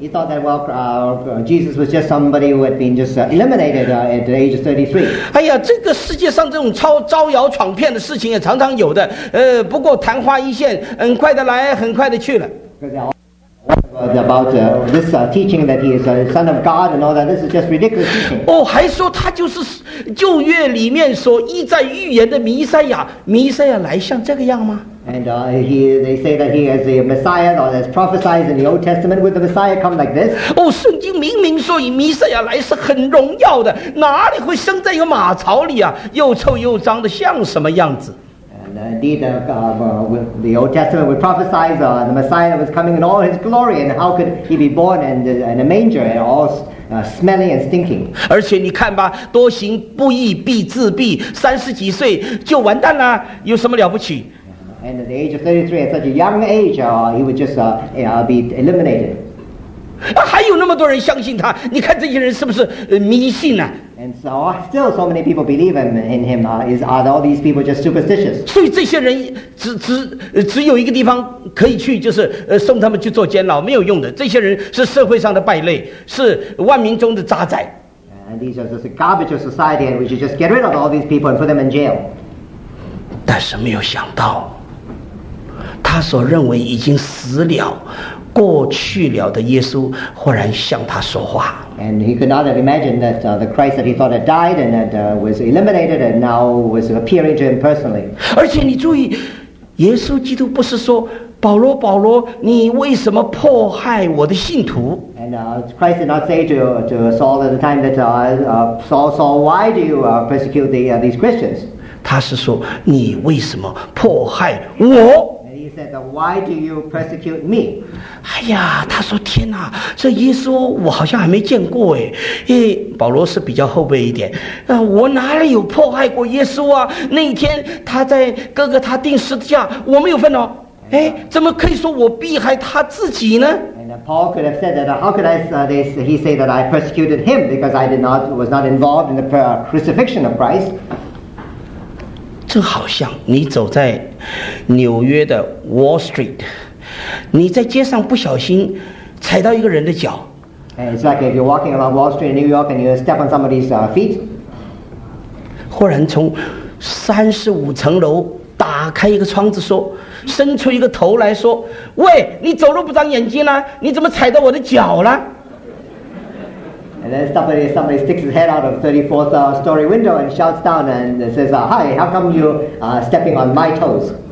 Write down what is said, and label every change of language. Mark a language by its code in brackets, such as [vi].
[en] He thought that well, Jesus was just somebody who had been just eliminated at the age of 33. [zh] 哎呀，这个世界上这种招摇闯骗的事情也常常有的。不过昙花一现，很快的来，很快的去了。 [en] About this teaching that he is a son of God and all that, this is just ridiculous teaching. [zh] Oh, 还说他就是旧约里面所一再预言的弥赛亚，弥赛亚来像这个样吗 [en] ？And they say that he is a Messiah, or that's prophesied in the Old Testament. Would the Messiah come like this? [zh] Oh, 圣经明明说以弥赛亚来是很荣耀的，哪里会生在一个马槽里啊？又臭又脏的，像什么样子？ [en] Indeed, the Old Testament would prophesy the Messiah was coming in all his glory, and how could he be born in a manger and all smelly and stinking? [zh] 而且你看吧，多行不义必自毙，三十几岁就完蛋了，有什么了不起 [en] ？And at the age of 33, at such a young age, he would just be eliminated. [zh] 还有那么多人相信他，你看这些人是不是迷信啊？ [en] And so, still, so many people believe in him. Are all these people just superstitious? [zh] 所以这些人只有一个地方可以去，就是送他们去做监牢，没有用的。这些人是社会上的败类，是万民中的渣滓。 [en] And these are just a garbage of society, and we should just get rid of all these people and put them in jail. [zh] 但是没有想到，他所认为已经死了。过去了的耶稣忽然向他说话。 [en] And he could not have imagined that the Christ that he thought had died and that was eliminated and now was appearing to him personally. [zh] 而且你注意，耶稣基督不是说保罗，保罗，你为什么迫害我的信徒 [en] ？And Christ did not say to Saul at the time that Saul, why do you persecute these Christians? [zh] 他是说你为什么迫害我？ [en] He said, "Why do you persecute me?" [zh] 哎呀，他说，天哪，这耶稣我好像还没见过哎。哎，保罗是比较后辈一点。我哪里有迫害过耶稣啊？那一天他在哥哥他钉十字架，我没有份哦。哎，怎么可以说我逼害他自己呢 [en] ？And Paul could have said that. How could I say this? He say that I persecuted him because I did not was not involved in the crucifixion of Christ. [zh] 这好像你走在。纽约的 Wall Street， 你在街上不小心踩到一个人的脚。 [en] It's like if you're walking along Wall Street in New York and you step on somebody's feet。 [zh] 忽然从35层楼打开一个窗子，说，伸出一个头来说：“喂，你走路不长眼睛了？你怎么踩到我的脚了 [en] ？”And then somebody sticks his head out of 34th story window and shouts down and says, "Hi, how come you stepping on my toes?"